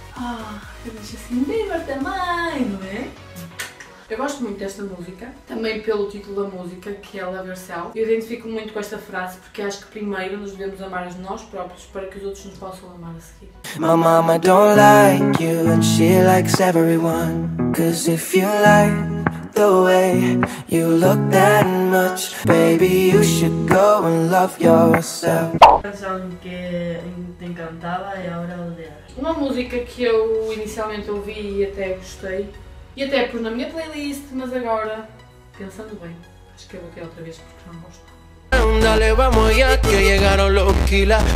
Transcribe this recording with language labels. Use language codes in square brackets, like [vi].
[pt] Ah, eu deixo assim Bieber também, não é? Eu gosto muito desta música, também pelo título da música, que é Love Yourself. Eu identifico muito com esta frase porque acho que primeiro nos devemos amar a nós próprios para que os outros nos possam amar a seguir. [en] My mama don't like you and she likes everyone. Cause if you like the way you look that much, baby, you should go and love yourself. [pt] Uma música que eu inicialmente ouvi e até gostei. E até pus na minha playlist, mas agora, pensando bem, acho que eu vou ter outra vez porque não gosto. [es] Dale, vamos ya que llegaron los kila.